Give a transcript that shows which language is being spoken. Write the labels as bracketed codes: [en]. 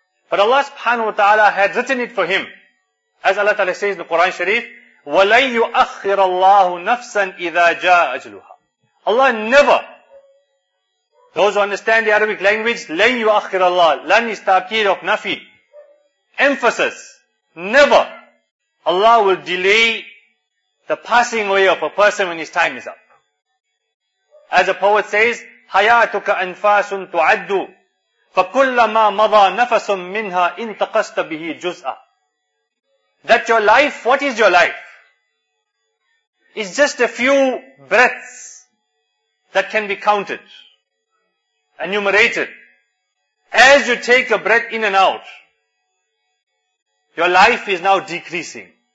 [en] But Allah subhanahu wa ta'ala had written it for him. As Allah ta'ala says in the Quran Sharif, [ar] وَلَيْ يُؤَخِّرَ اللَّهُ نَفْسًا إِذَا جَاءَ أَجْلُهَا. [en] Allah never, those who understand the Arabic language, [ar] لَنْ يُؤَخِّرَ اللَّهُ, لَنْ يُسْتَأْخِرَ اللَّهُ نَفْسًا, [en] emphasis. Never Allah will delay the passing away of a person when his time is up. As the poet says, [ar] حَيَاتُكَ أَنْفَاسٌ تُعَدُّ فَكُلَّمَا مَضَى نَفَسٌ مِّنْهَا إِنْتَقَسْتَ بِهِ جُزْءًا. [en] That your life, what is your life? It's just a few breaths that can be counted, enumerated. As you take a breath in and out, your life is now decreasing.